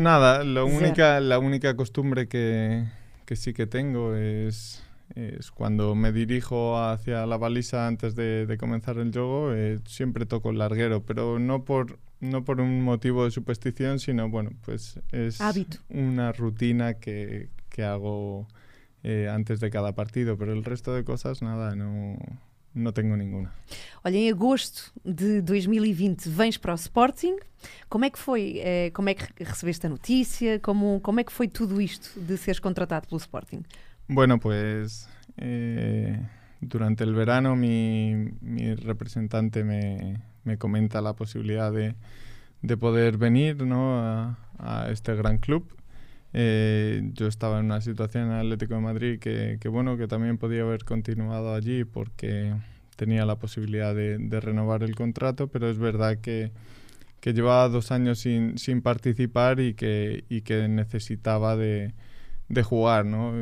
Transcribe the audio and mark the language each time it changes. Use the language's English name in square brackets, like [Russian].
[Spanish] Nada, la única costumbre que sí que tengo es cuando me dirijo hacia la baliza antes de comenzar el jogo, siempre toco el larguero, pero no por un motivo de superstición, sino bueno, pues es hábito. Una rutina que hago... antes de cada partido, pero el resto de cosas, nada, no tengo ninguna. [Portuguese] Olha, em agosto de 2020 vens para o Sporting, como é que foi, como é que recebeste a notícia, como é que foi tudo isto de seres contratado pelo Sporting? [Spanish] Bueno, pues durante el verano mi representante me comenta la posibilidad de poder venir, ¿no? a este gran club. Yo estaba en una situación en Atlético de Madrid que bueno, que también podía haber continuado allí porque tenía la posibilidad de renovar el contrato, pero es verdad que llevaba dos años sin participar y que necesitaba de jugar, ¿no?